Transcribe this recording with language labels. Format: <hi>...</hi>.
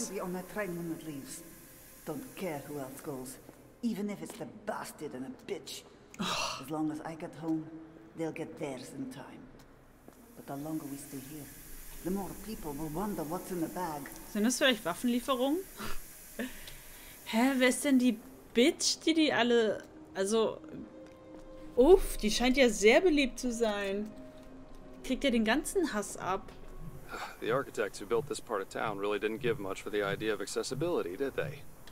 <en>I have to be on that train when it leaves. Don't care who else goes. Even if it's the bastard and a bitch. As long as I get home, they'll get theirs in time. But the longer we stay here, the more people will wonder what's in the bag.</en> <de>Sind das vielleicht Waffenlieferungen? Hä, wer ist denn die Bitch, die alle... Also... Uff, die scheint ja sehr beliebt zu sein. Kriegt ja den ganzen Hass ab.</de> <en>The architects who built this part of town really didn't give much for the idea of accessibility, did they?</en>